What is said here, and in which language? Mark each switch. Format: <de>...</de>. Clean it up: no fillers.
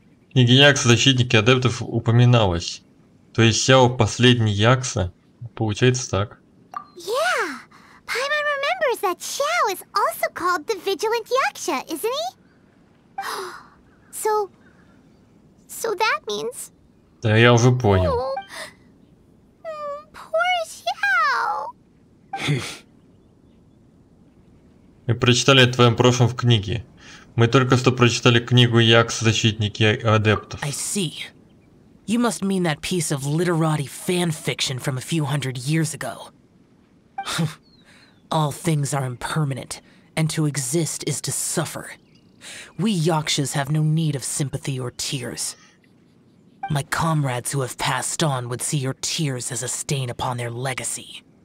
<ru>Книга Якса «Защитники адептов» упоминалась. То есть Сяо последний Якса? Получается так.</ru> <en>Yeah! Paimon remembers that Xiao is also called the Vigilant Yaksha, isn't he? So... So that means...</en> <ru>Да, я уже понял.</ru> <en>Poor Xiao!</en> <ru>Мы прочитали о твоем прошлом в книге. Мы только что прочитали книгу Якс «Защитники адептов».</ru> <en>I see. You must mean that piece of literati fanfiction from a few hundred years ago. All things are impermanent, and to exist is to suffer. We Yakshas have no need of sympathy or tears. My comrades who have passed on would see your tears as a stain upon their legacy.</en>